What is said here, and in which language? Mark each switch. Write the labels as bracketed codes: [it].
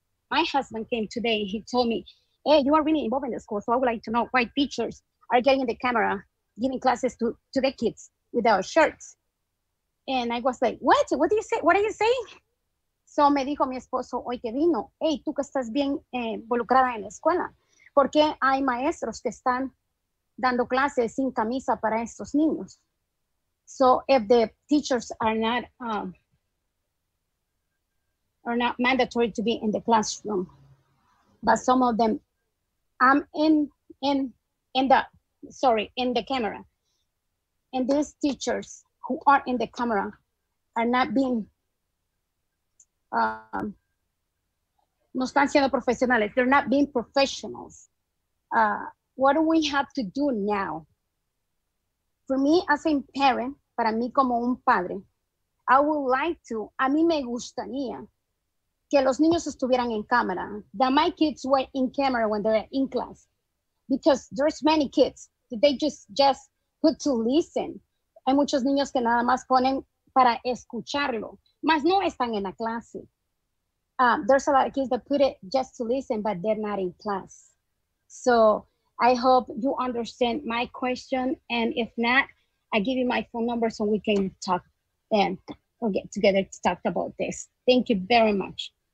[en] My husband came today and he told me, hey, you are really involved in the school, so I would like to know why teachers are getting the camera, giving classes to the kids without shirts. And I was like, what? What do you say? What are you saying? [es] So me dijo mi esposo hoy que vino, hey, tú que estás bien involucrada en la escuela, ¿por qué hay maestros que están dando clases sin camisa para estos niños? [en] So if the teachers are not mandatory to be in the classroom, but some of them, I'm in the camera. And these teachers who are in the camera are not being, [es] no están siendo profesionales, [en] they're not being professionals. What do we have to do now? For me as a parent, [es] para mí como un padre, a mí me gustaría que los niños estuvieran en cámara, [en] that my kids were in camera when they're in class. Because there's many kids that they just put to listen. [es] Hay muchos niños que nada más ponen para escucharlo, mas no están en la clase. [en] There's a lot of kids that put it just to listen, but they're not in class. So I hope you understand my question. And if not, I give you my phone number so we can talk and we'll get together to talk about this. Thank you very much.